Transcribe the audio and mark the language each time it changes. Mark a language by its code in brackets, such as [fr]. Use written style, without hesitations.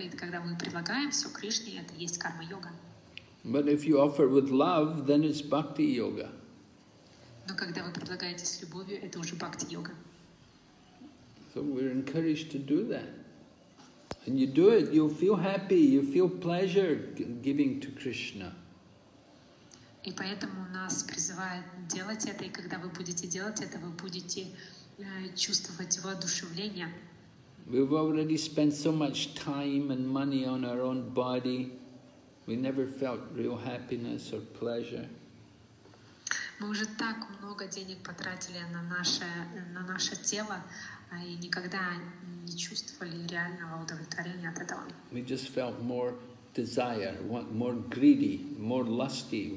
[ru] И когда мы предлагаем все Кришне, это есть карма йога. [en] But if you offer with love, then it's bhakti yoga. [ru] Но когда вы предлагаете с любовью, это уже бхакти йога. [en] So we're encouraged to do that. And you do it, you feel happy, you feel pleasure giving to Krishna. [ru] И поэтому нас призывают делать это, и когда вы будете делать это, вы будете чувствовать воодушевление. [en] We've already spent so much time and money on our own body. We never felt real happiness or pleasure. [ru] Мы уже так много денег потратили на наше тело, и никогда не чувствовали реального удовлетворения от этого. [en] We just felt more desire, more greedy, more lusty.